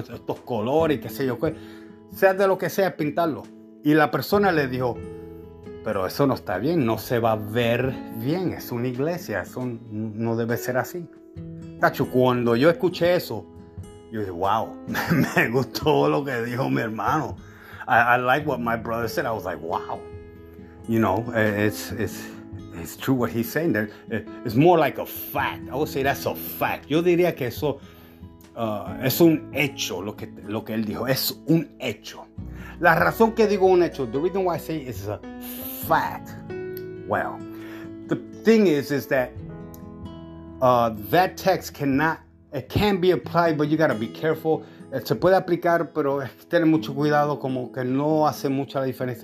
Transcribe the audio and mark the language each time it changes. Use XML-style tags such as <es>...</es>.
<es>Estos colores, qué sé yo, qué. Sea de lo que sea, pintarlo. Y la persona le dijo, pero eso no está bien, no se va a ver bien, es una iglesia, eso no debe ser así. Tacho, cuando yo escuché eso, yo dije, wow, me gustó lo que dijo mi hermano.</es> <en>I like what my brother said, I was like, wow. You know, it's true what he's saying there. It's more like a fact, I would say that's a fact.</en> <es>Yo diría que eso es un hecho, lo que él dijo, es un hecho. La razón que digo un hecho,</es> <en>the reason why I say it is a fact. Well, the thing is that that text can be applied, but you got to be careful.</en> <es>Se puede aplicar, pero hay que tener mucho cuidado, como que no hace mucha la diferencia.</es>